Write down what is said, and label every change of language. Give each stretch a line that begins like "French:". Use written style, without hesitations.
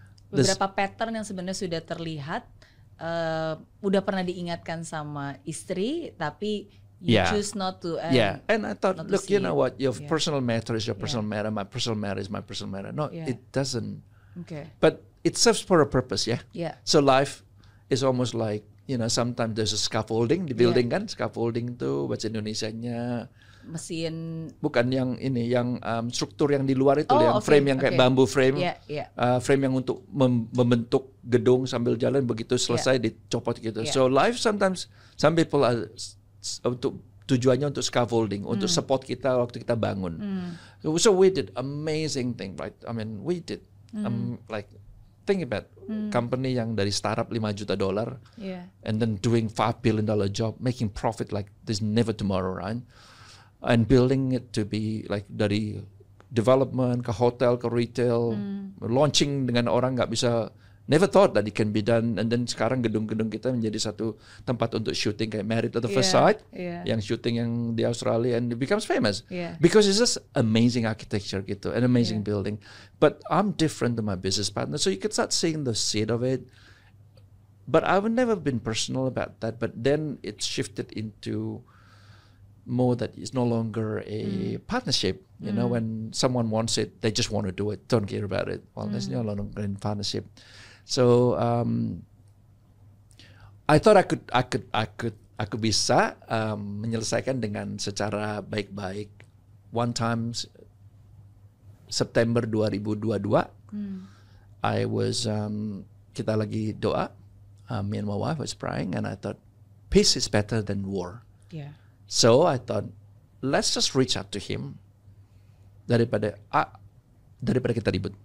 Indonesian: beberapa pattern yang sebenarnya sudah terlihat, udah pernah diingatkan sama istri, tapi
English: you choose not to. And I thought, look, you know what? Your personal matter is your personal matter. My personal matter is my personal matter. No, it doesn't. Okay. But it serves for a purpose, yeah. Yeah. So life is almost like, you know, sometimes there's a scaffolding, the building kan?
Indonesian: Scaffolding tuh bahasa Indonesianya. Mesin. Bukan yang ini, yang struktur yang di luar itu, yang frame yang kayak bambu frame, frame yang untuk membentuk gedung sambil jalan begitu selesai dicopot gitu.
English: Yeah. So life sometimes some people are
Indonesian: untuk tujuannya untuk scaffolding, untuk support kita waktu kita bangun. Mm.
English: So we did amazing thing, right? I mean, we did like think about company
Indonesian: yang dari startup
English: $5 million and then doing $5 billion job, making profit like there's never tomorrow, right? And building it to be like
Indonesian: dari development ke hotel ke retail,
English: launching
Indonesian: dengan orang nggak bisa,
English: never thought that it can be done. And then
Indonesian: sekarang gedung-gedung kita menjadi satu tempat untuk shooting kayak Married at the First Sight, yang shooting yang di Australia,
English: and it becomes famous because it's just amazing architecture
Indonesian: gitu,
English: an amazing building. But I'm different to my business partner, so you could start seeing the seed of it. But I've never been personal about that. But then it shifted into more that it's no longer a partnership. You know, when someone wants it, they just want to do it. Don't care about it. Well, there's no longer in partnership. So I thought I could
Indonesian: bisa menyelesaikan dengan secara baik-baik.
English: One time September 2022, I was
Indonesian: kita lagi doa,
English: me and my wife was praying, and I thought peace is better than war. Yeah. So I thought, let's just reach out to him
Indonesian: daripada kita ribut.